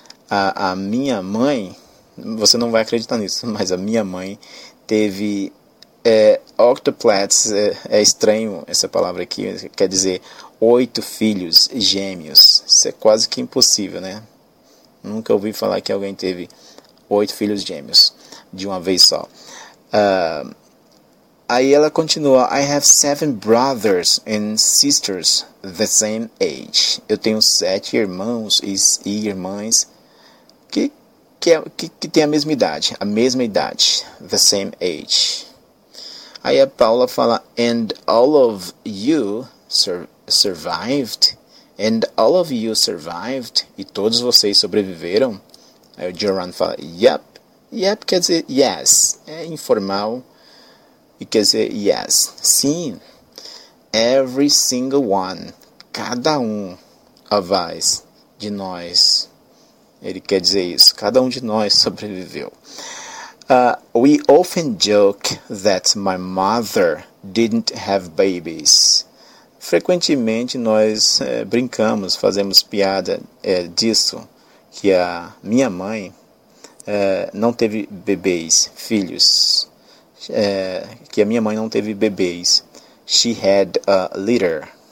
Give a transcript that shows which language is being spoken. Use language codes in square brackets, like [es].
[pt] A minha mãe, você não vai acreditar nisso, mas a minha mãe teve octuplets. É estranho essa palavra aqui, quer dizer oito filhos gêmeos. Isso é quase que impossível, né? Nunca ouvi falar que alguém teve oito filhos gêmeos de uma vez só. Aí ela continua, [en] I have seven brothers and sisters the same age. [pt] Eu tenho sete irmãos e irmãs que tem a mesma idade, [en] the same age. [pt] Aí a Paula fala, [en] and all of you survived? And all of you survived? [pt] E todos vocês sobreviveram? Aí o Joran fala, yep. Yep quer dizer yes, é informal, e quer dizer yes, sim. [en] Every single one, [pt] cada um [en] of us, [pt] de nós. Ele quer dizer isso. Cada um de nós sobreviveu. [en] We often joke that my mother didn't have babies. [pt] Frequentemente nós brincamos, fazemos piada disso, que a minha mãe não teve bebês, filhos. Que a minha mãe não teve bebês. [en] She had a litter.